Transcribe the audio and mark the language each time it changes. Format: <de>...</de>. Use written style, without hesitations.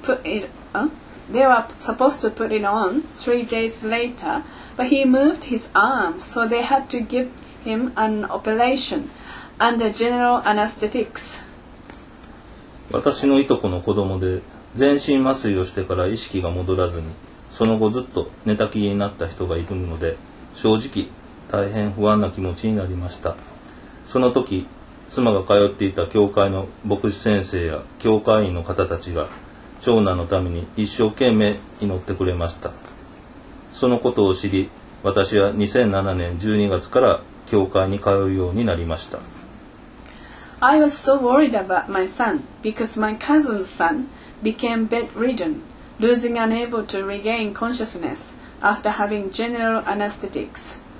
<en>They were supposed to put it on 3 days later, but he moved his arm, so they had to give him an operation under general anesthetics.</en> <ja>私のいとこの子供で全身麻酔をしてから意識が戻らずにその後ずっと寝たきりになった人がいるので正直大変不安な気持ちになりました。その時妻が通っていた教会の牧師先生や教会員の方たちが長男のために一生懸命祈ってくれました。そのことを知り私は2007年12月から教会に通うようになりました。</ja> <en>I was so worried about my son because my cousin's son became bedridden, losing unable to regain consciousness after having general anesthetics.</en>